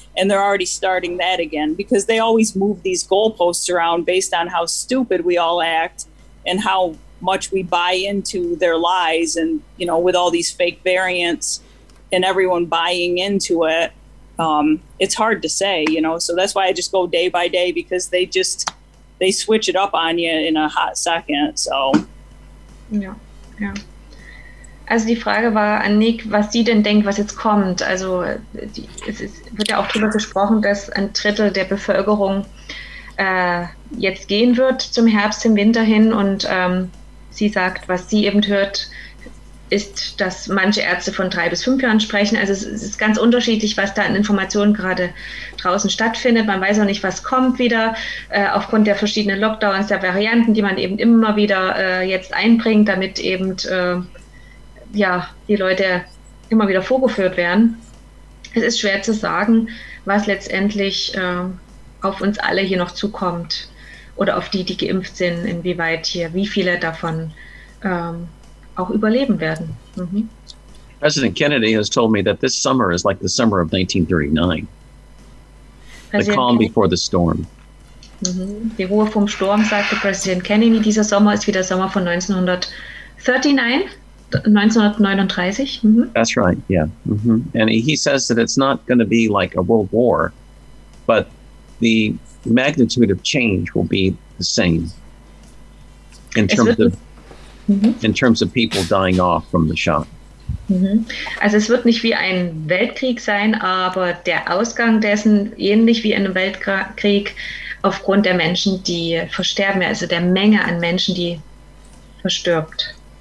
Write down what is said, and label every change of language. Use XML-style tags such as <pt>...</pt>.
<en>And they're already starting that again because they always move these goalposts around based on how stupid we all act and how much we buy into their lies. And, you know, with all these fake variants and everyone buying into it, it's hard to say, you know, so that's why I just go day by day because they switch it up on you in a hot second. So, yeah.</en> <de>Also die Frage war an Nick, was sie denn denkt, was jetzt kommt. Also es wird ja auch darüber gesprochen, dass ein Drittel der Bevölkerung jetzt gehen wird zum Herbst, im Winter hin. Und sie sagt, was sie eben hört, ist, dass manche Ärzte von 3 bis 5 Jahren sprechen. Also es ist ganz unterschiedlich, was da an Informationen gerade draußen stattfindet. Man weiß auch nicht, was kommt wieder aufgrund der verschiedenen Lockdowns, der Varianten, die man eben immer wieder jetzt einbringt, damit eben die Leute immer wieder vorgeführt werden. Es ist schwer zu sagen, was letztendlich auf uns alle hier noch zukommt oder auf die, die geimpft sind, inwieweit hier, wie viele davon auch überleben werden. Mhm.</de> <en>President Kennedy has told me that this summer is like the summer of 1939. The calm before the storm.</en> <de>Mhm. Die Ruhe vom Sturm, sagte Präsident Kennedy. Dieser Sommer ist wie der Sommer von 1939.</de> <en>Mhm. That's right, yeah. Mhm. And he says that it's not going to be like a world war, but the magnitude of change will be the same in terms of people dying off from the shot.</en> <de>Also es wird nicht wie ein Weltkrieg sein, aber der Ausgang dessen, ähnlich wie in einem Weltkrieg, aufgrund der Menschen, die versterben, also der Menge an Menschen, die verstirbt.</de>